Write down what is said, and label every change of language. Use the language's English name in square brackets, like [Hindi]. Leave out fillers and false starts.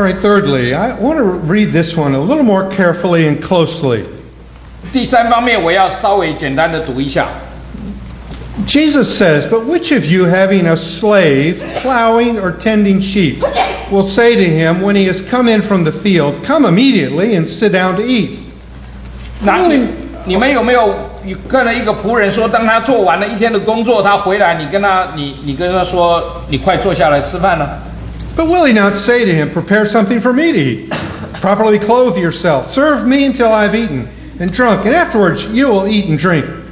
[English] right, thirdly, I want to read this one a little more carefully and closely. [Chinese] 第三方面我要稍微简单的读一下。Jesus [English] says, but which of you having a slave plowing or tending sheep will say to him when he has come in from the field, come immediately and sit down to eat? [Chinese] 那你们有没有可能一个仆人说，当他做完了一天的工作，他回来，你跟他说，你快坐下来吃饭呢？ [English] But will he not say to him, prepare something for me to eat, properly clothe yourself, serve me until I've eaten and drunk, and afterwards you will eat and drink?